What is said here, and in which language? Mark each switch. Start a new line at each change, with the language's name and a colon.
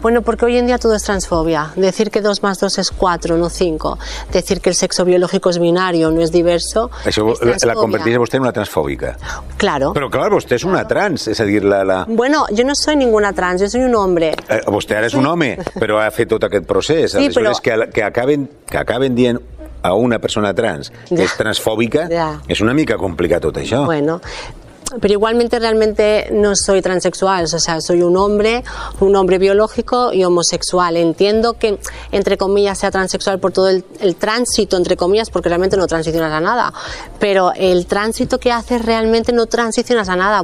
Spanish: Bueno, porque hoy en día todo es transfobia. Decir que 2 más 2 es 4, no 5. Decir que el sexo biológico es binario, no es diverso.
Catalan: Això es la convertís a vostè en una transfòbica.
Spanish: Claro.
Catalan: Però clar, vostè és una trans, és a dir, la...
Spanish: Bueno, yo no soy ninguna trans, yo soy un hombre.
Catalan: Vostè ara és un home, però ha fet tot aquest procés. Sí, aleshores, però... que acaben dient...
Spanish: a una persona trans que es transfóbica, es
Catalan: una mica
Spanish: complicado todo eso. Bueno, pero igualmente realmente no soy transexual, o sea, soy un hombre biológico y homosexual. Entiendo que, entre comillas, sea transexual por todo el tránsito, entre comillas, porque realmente no transicionas a nada, pero el tránsito que haces realmente no transicionas a nada.